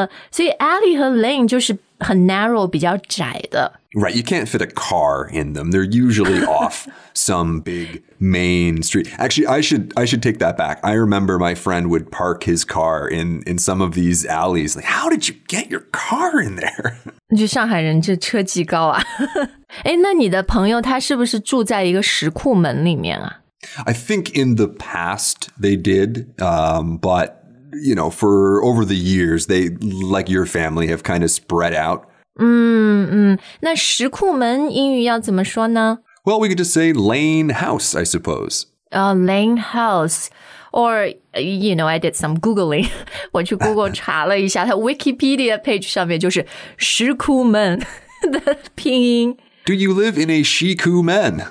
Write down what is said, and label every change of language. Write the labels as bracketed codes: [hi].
[zh] 所以 alley 和 lane 就是很 narrow, 比较窄的。 [en] Right, you can't fit a car in them. They're usually off some big main street. Actually, I should take that back. I remember my friend would park his car in some of these alleys. Like, how did you get your car in there? [zh] 就上海人这车技高啊。那你的朋友他是不是住在一个石库门里面啊? [en] I think in the past they did, but, you know, for over the years, they, like your family, have kind of spread out. [zh] 那石库门英语要怎么说呢? [en] Well, we could just say lane house, I suppose. Lane house. Or, you know, I did some Googling. [zh] 我去 Google 查了一下，它 Wikipedia page 上面就是石库门的拼音。 [en] Do you live in a shiku man?